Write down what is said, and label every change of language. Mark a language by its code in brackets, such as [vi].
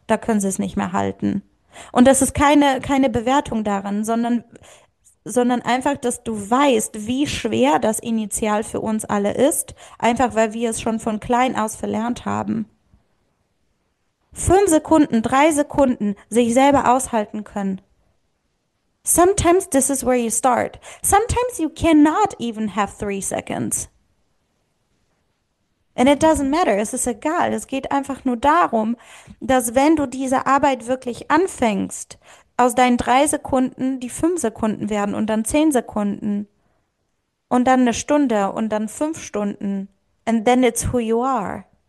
[de] Da können sie es nicht mehr halten. Und das ist keine Bewertung daran, sondern einfach, dass du weißt, wie schwer das initial für uns alle ist, einfach weil wir es schon von klein aus verlernt haben. 5 Sekunden, 3 Sekunden sich selber aushalten können. [en] Sometimes this is where you start. Sometimes you cannot even have 3 seconds. And it doesn't matter, [de] es ist egal. Es geht einfach nur darum, dass wenn du diese Arbeit wirklich anfängst, aus deinen 3 Sekunden die 5 Sekunden werden und dann 10 Sekunden und dann 1 Stunde und dann 5 Stunden. [en] And then it's who you are.